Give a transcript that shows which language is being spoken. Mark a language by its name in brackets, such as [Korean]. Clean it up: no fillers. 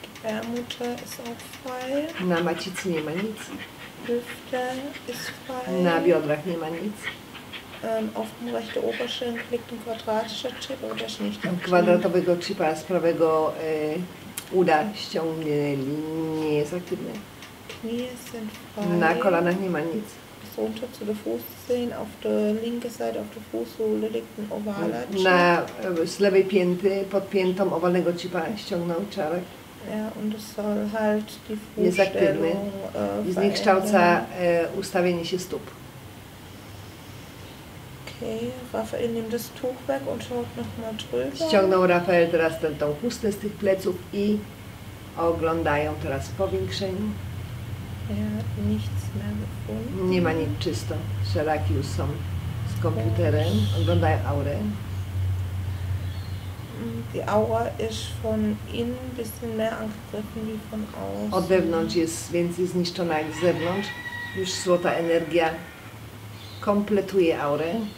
[German] Gebärmutter ist auch frei. [Polish] Na macicy nie ma nic. [German] Hüfte ist frei. [Polish] Na biodrach nie ma nic. [German] Auf dem rechten Oberschenkel liegt ein quadratischer Chip, aber der ist nicht aktiv. [Polish] Kwadratowego chipa z prawego uda ściągnęli, nie jest aktywny. [German] Knie sind frei. [Polish] Na kolanach nie ma nic. [German] Runter zu der Fußzehen, auf der linken Seite, auf der Fußsohle liegt ein ovaler Chip. [Polish] Na, z lewej pięty, pod piętą owalnego chipa ściągnął czarek. [German] Ja, und es soll halt die Fußstellung verändern. [Polish] Zniekształca ustawienie się stóp. [German] Okay, Rafael nimmt das Tuch weg und schaut nochmal drüber. [Polish] Ściągnął Rafael teraz tą chustę z tych pleców i oglądają teraz w powiększeniu. [German] Ja, nichts mehr gefunden. [Polish] Nie ma nic czysto. Szeraki już są z komputerem. Oglądają aurę. [German] Die Aura ist von innen ein bisschen mehr angegriffen wie von außen. [Polish] Od wewnątrz jest więcej zniszczona jak z zewnątrz. Już złota energia kompletuje aurę.